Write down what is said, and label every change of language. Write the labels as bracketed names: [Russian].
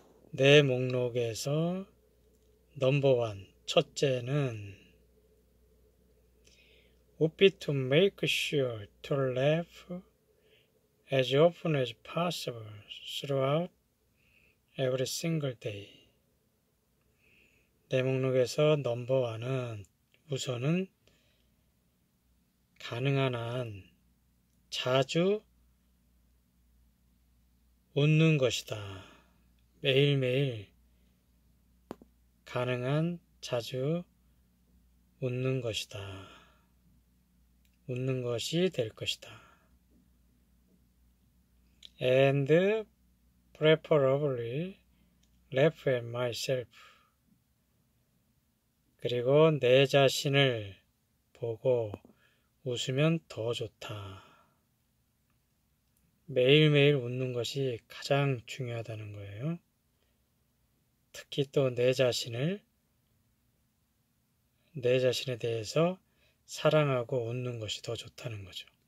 [Korean] 내 목록에서 넘버원 첫째는 [English] would be to make sure to laugh as often as possible throughout every single day. [Korean] 내 목록에서 넘버원은 우선은 가능한 한 자주 웃는 것이다. 매일매일 가능한 자주 웃는 것이다. 웃는 것이 될 것이다. [English] And preferably laugh at myself. [Korean] 그리고 내 자신을 보고 웃으면 더 좋다. 매일매일 웃는 것이 가장 중요하다는 거예요. 특히 또 내 자신에 대해서 사랑하고 웃는 것이 더 좋다는 거죠.